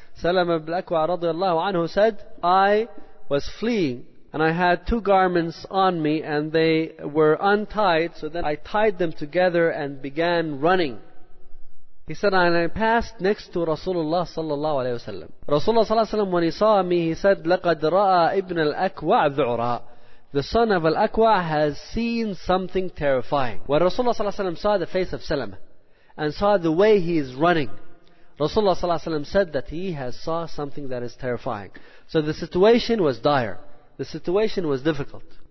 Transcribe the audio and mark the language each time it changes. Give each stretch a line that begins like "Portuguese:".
English: سلم بن أكوع رضي الله عنه said, I was fleeing and I had two garments on me and they were untied. So then I tied them together and began running. He said, and I passed next to Rasulullah صلى الله عليه وسلم. Rasulullah صلى الله عليه وسلم, when he saw me, he said,
Arabic: لقد رأى ابن الأكوع ذعرا.
English: The son of Al-Aqwa has seen something terrifying. When Rasulullah ﷺ saw the face of Salama and saw the way he is running, Rasulullah ﷺ said that he has saw something that is terrifying. So the situation was dire. The situation was difficult.